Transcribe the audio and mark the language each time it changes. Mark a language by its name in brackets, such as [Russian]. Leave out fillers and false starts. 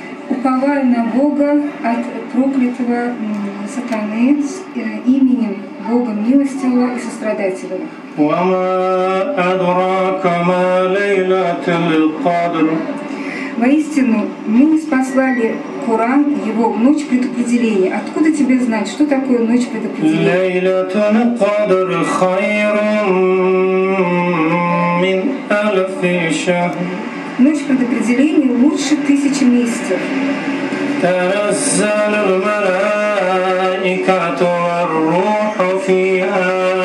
[Russian] Уповай на Бога от проклятого сатаны именем Бога Милостивого и Сострадательного. [Arabic] وما أدراك ما ليلة القدر. [Russian] Воистину, мы послали Куран, его в ночь предопределения. Откуда тебе знать, что такое ночь предопределения? [Arabic] ليلة القدر خير من ألف شهر. [Russian] Ночь предопределения лучше тысячи месяцев. [Arabic] تنزل الملائكة والروح فيها.